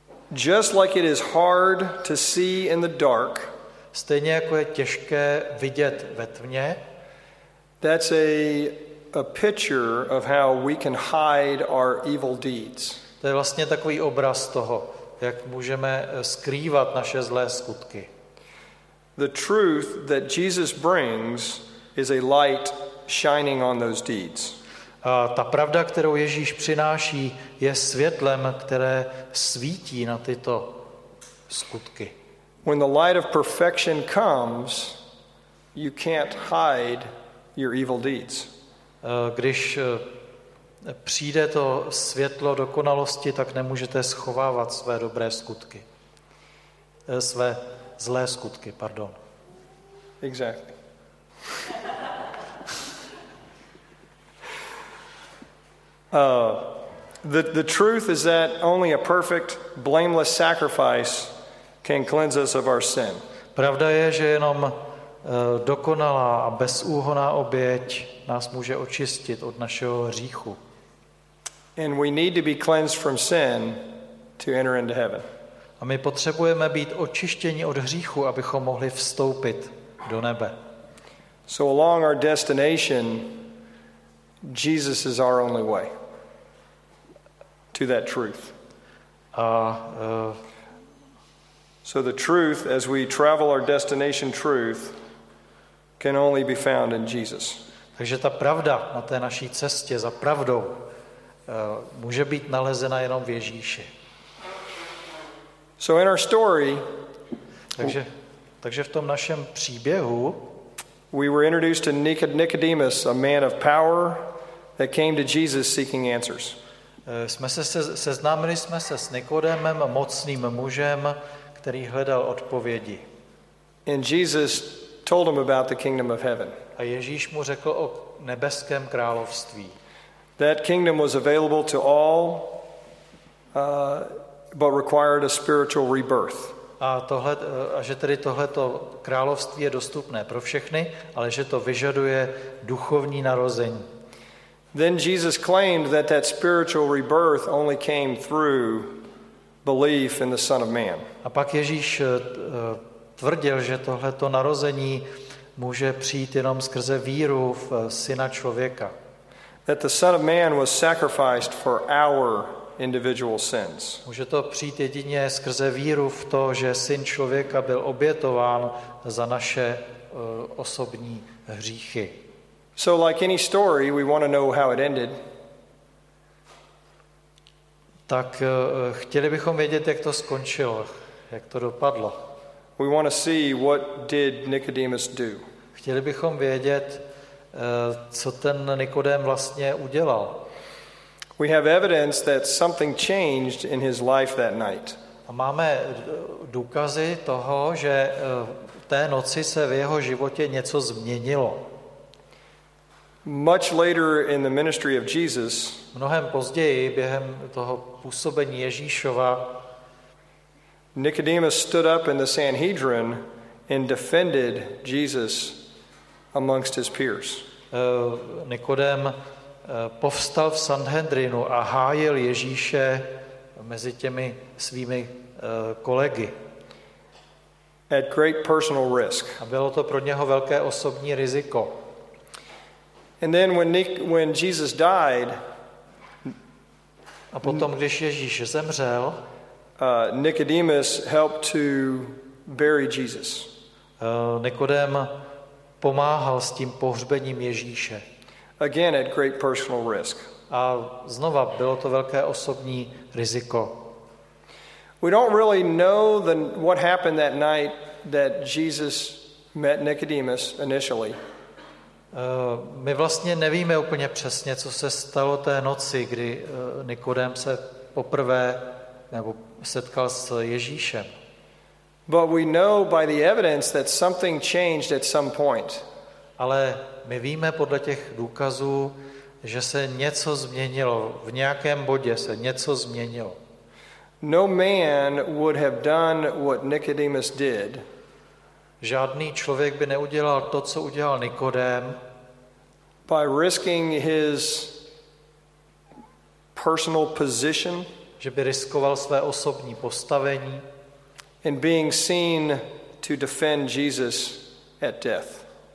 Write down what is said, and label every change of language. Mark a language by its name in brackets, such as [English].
[English] Just like it is hard to see in the dark. [Czech] Stejně jako je těžké vidět ve tmě. [English] That's a picture of how we can hide our evil deeds. [Czech] To je vlastně takový obraz toho, jak můžeme skrývat naše zlé skutky. [English] The truth that Jesus brings is a light shining on those deeds. [Czech] A ta pravda, kterou Ježíš přináší, je světlem, které svítí na tyto skutky. [English] When the light of perfection comes, you can't hide your evil deeds. [Czech] Když přijde to světlo dokonalosti, tak nemůžete schovávat své dobré skutky. Své zlé skutky, pardon. [English] Exactly. The truth is that only a perfect, blameless sacrifice can cleanse us of our sin. [Czech] Pravda je, že jenom dokonalá a bezúhonná oběť nás může očistit od našeho hříchu. [English] And we need to be cleansed from sin to enter into heaven. [Czech] A my potřebujeme být očištěni od hříchu, abychom mohli vstoupit do nebe. [English] So along our destination, Jesus is our only way to that truth. So the truth, as we travel our destination truth, can only be found in Jesus. [Czech] Takže ta pravda na té naší cestě za pravdou může být nalezena jenom v Ježíši. [English] So in our story, [Czech] takže v tom našem příběhu, [English] we were introduced to Nicodemus, a man of power that came to Jesus seeking answers. [Czech] Seznámili jsme se s Nikodémem, mocným mužem, který hledal odpovědi. [English] And Jesus told him about the kingdom of heaven. [Czech] A Ježíš mu řekl o nebeském království. [English] That kingdom was available to all, but required a spiritual rebirth. [Czech] A že tedy tohleto království je dostupné pro všechny, ale že to vyžaduje duchovní narození. [English] Then Jesus claimed that spiritual rebirth only came through belief in the Son of Man. [Czech] A pak Ježíš tvrdil, že tohleto narození může přijít jenom skrze víru v Syna člověka. [English] That the Son of Man was sacrificed for our individual sins. [Czech] Může to přijít jedině skrze víru v to, že Syn člověka byl obětován za naše osobní hříchy. [English] So like any story, we want to know how it ended. [Czech] Tak chtěli bychom vědět, jak to skončilo, jak to dopadlo. [English] We want to see what did Nicodemus do. [Czech] Chtěli bychom vědět, co ten Nikodém vlastně udělal. [English] We have evidence that something changed in his life that night. [Czech] A máme důkazy toho, že té noci se v jeho životě něco změnilo. [English] Much later in the ministry of Jesus, [Czech] mnohem později během toho působení Ježíšova, [English] Nicodemus stood up in the Sanhedrin and defended Jesus amongst his peers. [Czech] Nikodém povstal v Sanhedrinu a hájil Ježíše mezi těmi svými kolegy. [English] At great personal risk. [Czech] A bylo to pro něho velké osobní riziko. [English] And then when Jesus died, [Czech] a potom když Ježíš zemřel, [English] Nicodemus helped to bury Jesus. [Czech] Nikodém pomáhal s tím pohřbením Ježíše. [English] Again at great personal risk. [Czech] A znova bylo to velké osobní riziko. [English] We don't really know what happened that night that Jesus met Nicodemus initially. [Czech] My vlastně nevíme úplně přesně, co se stalo té noci, kdy Nikodém se poprvé nebo setkal s Ježíšem. [English] But we know by the evidence that something changed at some point. [Czech] Ale my víme podle těch důkazů, že se něco změnilo, v nějakém bodě se něco změnilo. [English] No man would have done what Nicodemus did. [Czech] Žádný člověk by neudělal to, co udělal Nikodém. [English] By risking his personal position, [Czech] že by riskoval své osobní postavení, [English] and being seen to defend Jesus at death.